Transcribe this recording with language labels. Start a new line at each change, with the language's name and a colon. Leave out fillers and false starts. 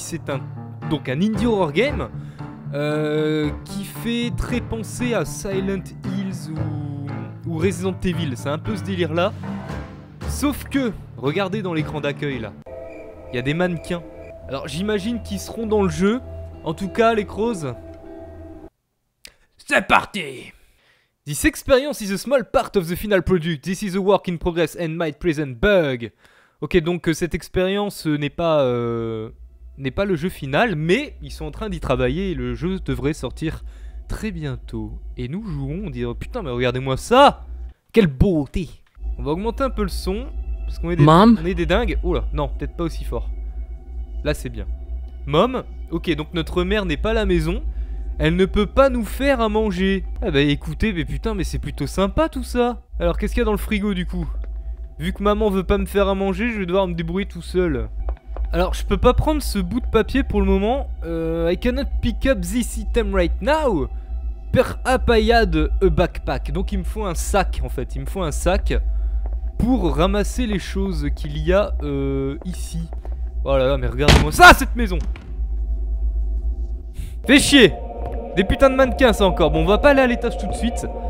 French: C'est un indie horror game qui fait très penser à Silent Hills ou Resident Evil. C'est un peu ce délire là. Sauf que, regardez dans l'écran d'accueil là, il y a des mannequins. Alors j'imagine qu'ils seront dans le jeu. En tout cas, les crocs, c'est parti!
English: This experience is a small part of the final product. This is a work in progress and might present bug.
French: Ok, donc cette expérience n'est pas le jeu final, mais ils sont en train d'y travailler. Le jeu devrait sortir très bientôt. Et nous jouons, on dit, oh, putain, mais regardez-moi ça! Quelle beauté! On va augmenter un peu le son, parce qu'on est des dingues. Oula, non, peut-être pas aussi fort. Là, c'est bien. Mom, ok, donc notre mère n'est pas à la maison. Elle ne peut pas nous faire à manger. Eh bah écoutez, mais putain, mais c'est plutôt sympa tout ça. Alors qu'est-ce qu'il y a dans le frigo du coup? Vu que maman veut pas me faire à manger, je vais devoir me débrouiller tout seul. Alors je peux pas prendre ce bout de papier pour le moment.
English: I cannot pick up this item right now. Perhaps I had a backpack.
French: Donc il me faut un sac en fait. Il me faut un sac pour ramasser les choses qu'il y a ici. Oh là là, mais regarde-moi ça, cette maison. Fais chier. Des putains de mannequins, ça encore. Bon, on va pas aller à l'étage tout de suite.